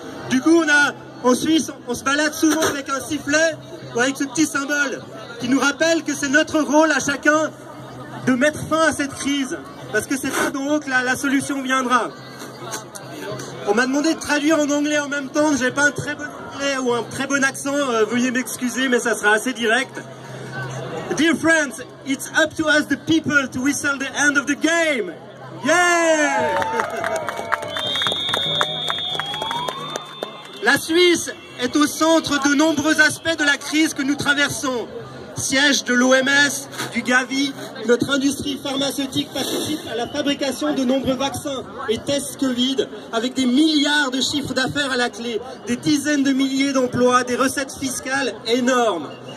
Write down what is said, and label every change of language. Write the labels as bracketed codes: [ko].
[fr] Du coup, en Suisse, on se balade souvent avec un sifflet, avec ce petit symbole, qui nous rappelle que c'est notre rôle à chacun de mettre fin à cette crise, parce que c'est ça d'en haut que la solution viendra. On m'a demandé de traduire en anglais en même temps, j'ai pas un très bon anglais ou un très bon accent, veuillez m'excuser, mais ça sera assez direct. [en] Dear friends, it's up to us the people to whistle the end of the game. Yeah! [fr] La Suisse est au centre de nombreux aspects de la crise que nous traversons. Siège de l'OMS, du Gavi, notre industrie pharmaceutique participe à la fabrication de nombreux vaccins et tests Covid, avec des milliards de chiffres d'affaires à la clé, des dizaines de milliers d'emplois, des recettes fiscales énormes.